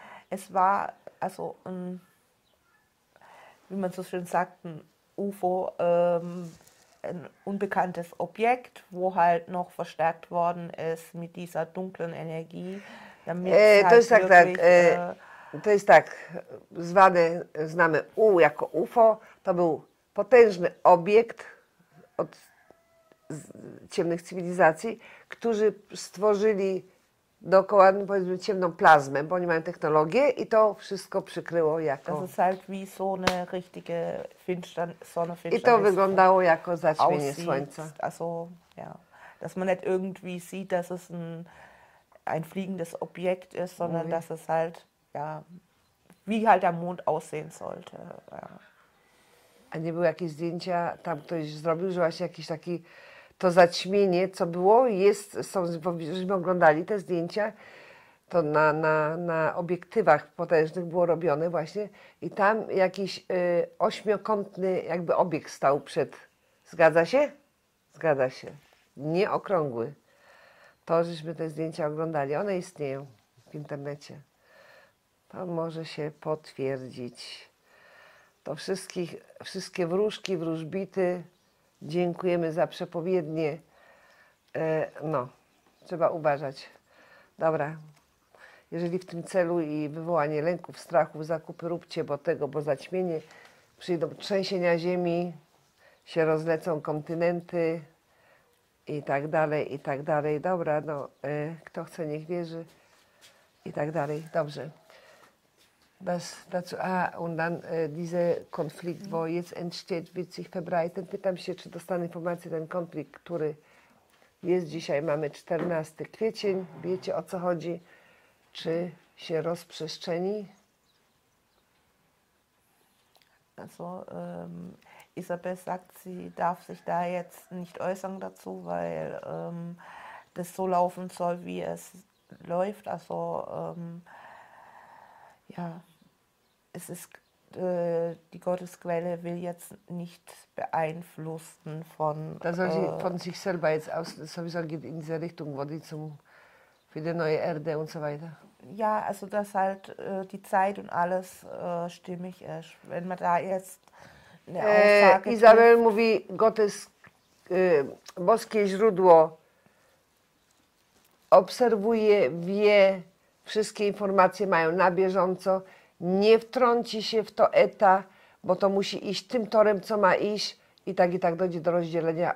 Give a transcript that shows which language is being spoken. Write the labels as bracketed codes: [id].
[de] Es war, also, wie man so schön sagt, ein UFO, ein unbekanntes Objekt, wo halt noch verstärkt worden ist mit dieser dunklen Energie. [pl] Damit to jest tak, wirklich, to jest tak, zwane, znamy U jako UFO, to był potężny obiekt od ciemnych cywilizacji, którzy stworzyli dookoła, powiedzmy, ciemną plazmę, bo oni mają technologię i to wszystko przykryło jako... [de] Das ist halt wie so eine richtige Sonnenfinsternis. [pl] I to wyglądało jako zaćmienie słońca. [de] Also, ja. Dass man nicht irgendwie sieht, dass es ein fliegendes Objekt ist, sondern dass es halt, ja, wie halt der Mond aussehen sollte. Ja. [pl] A nie było jakieś zdjęcia, tam ktoś zrobił, że właśnie jakiś taki... To zaćmienie, co było, jest, są, bo żeśmy oglądali te zdjęcia, to na obiektywach potężnych było robione właśnie i tam jakiś ośmiokątny jakby obiekt stał przed, zgadza się? Zgadza się, nie okrągły. To, żeśmy te zdjęcia oglądali, one istnieją w internecie. To może się potwierdzić. To wszystkie wróżki, wróżbity. Dziękujemy za przepowiednie. No, trzeba uważać. Dobra. Jeżeli w tym celu i wywołanie lęków, strachów, zakupy róbcie, bo tego, bo zaćmienie, przyjdą trzęsienia ziemi, się rozlecą kontynenty i tak dalej, i tak dalej. Dobra, no, kto chce, niech wierzy i tak dalej. Dobrze. [de] Und dann dieser Konflikt, wo jetzt entsteht, wird sich verbreiten. [pl] Pytam się, czy dostanę informację, ten konflikt, który jest dzisiaj, mamy 14 kwiecień, wiecie o co chodzi, czy się rozprzestrzeni? [de] Also, Isabel sagt, sie darf sich da jetzt nicht äußern dazu, weil das so laufen soll, wie es läuft, also ja, es ist die Gottesquelle will jetzt nicht beeinflussen von. Da soll sie von sich selber jetzt aus, sowieso geht in diese Richtung, wo die zum für die neue Erde und so weiter. Ja, also dass halt die Zeit und alles stimmig ist. Wenn man da jetzt eine Aussage. [pl] Isabel mówi, Gottes boskie źródło obserwuje, wie. Wszystkie informacje mają na bieżąco, nie wtrąci się w to ETA, bo to musi iść tym torem, co ma iść i tak dojdzie do rozdzielenia.